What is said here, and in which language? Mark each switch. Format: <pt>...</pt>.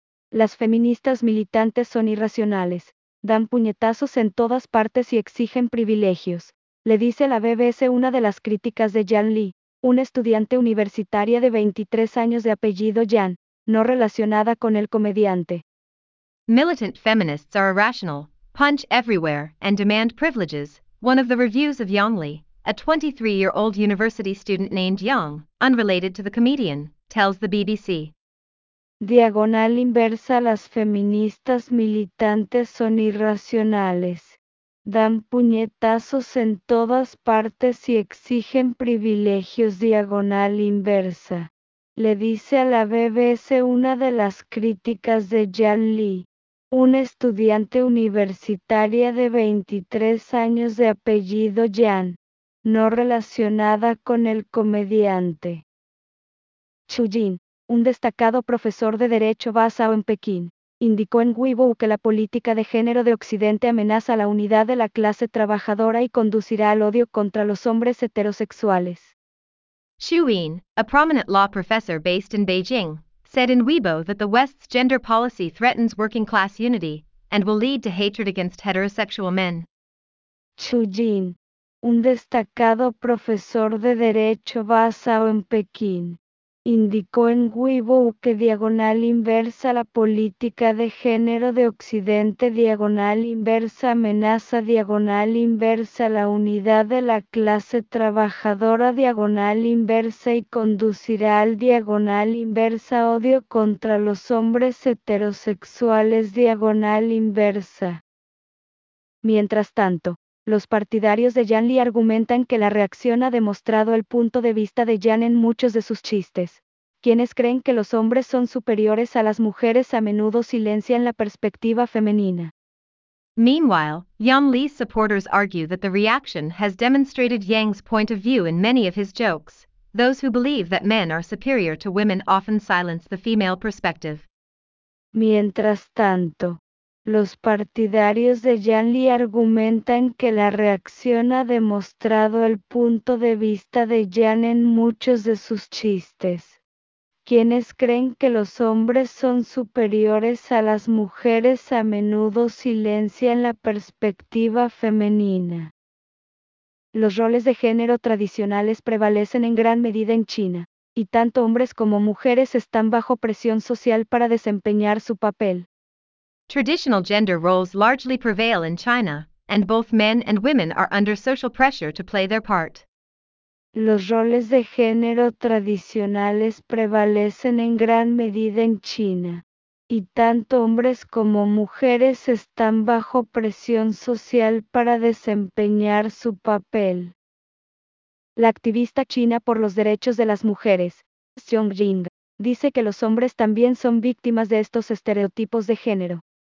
<es>Las feministas militantes son irracionales. Dan puñetazos en todas partes y exigen privilegios, le dice la BBC una de las críticas de Jan Lee, una estudiante universitaria de 23 años de apellido Jan, no relacionada con el comediante.</es> <en>Militant feminists are irrational, punch everywhere, and demand privileges, one of the reviews of Yang Lee, a 23-year-old university student named Yang, unrelated to the comedian, tells the BBC.</en> <es>Diagonal inversa, las feministas militantes son irracionales. Dan puñetazos en todas partes y exigen privilegios diagonal inversa. Le dice a la BBC una de las críticas de Jan Lee, una estudiante universitaria de 23 años de apellido Jan, no relacionada con el comediante. Chu Jin, un destacado profesor de derecho basado en Pekín, indicó en Weibo que la política de género de Occidente amenaza la unidad de la clase trabajadora y conducirá al odio contra los hombres heterosexuales.</es> <en>Xu Yin, a prominent law professor based in Beijing, said in Weibo that the West's gender policy threatens working class unity and will lead to hatred against heterosexual men.</en> <es>Xu Yin, un destacado profesor de derecho basado en Pekín, indicó en Weibo que diagonal inversa la política de género de Occidente diagonal inversa amenaza diagonal inversa la unidad de la clase trabajadora diagonal inversa y conducirá al diagonal inversa odio contra los hombres heterosexuales diagonal inversa. Mientras tanto, los partidarios de Jan Lee argumentan que la reacción ha demostrado el punto de vista de Jan en muchos de sus chistes. Quienes creen que los hombres son superiores a las mujeres a menudo silencian la perspectiva femenina.</es> <en>Meanwhile, Jan Lee's supporters argue that the reaction has demonstrated Yang's point of view in many of his jokes. Those who believe that men are superior to women often silence the female perspective.</en> <es>Mientras tanto, los partidarios de Jan Lee argumentan que la reacción ha demostrado el punto de vista de Jan en muchos de sus chistes. Quienes creen que los hombres son superiores a las mujeres a menudo silencian la perspectiva femenina. Los roles de género tradicionales prevalecen en gran medida en China, y tanto hombres como mujeres están bajo presión social para desempeñar su papel.</es> <en>Traditional gender roles largely prevail in China, and both men and women are under social pressure to play their part.</en> <es>Los roles de género tradicionales prevalecen en gran medida en China, y tanto hombres como mujeres están bajo presión social para desempeñar su papel. La activista china por los derechos de las mujeres, Xiong Jing, dice que los hombres también son víctimas de estos estereotipos de género.</es>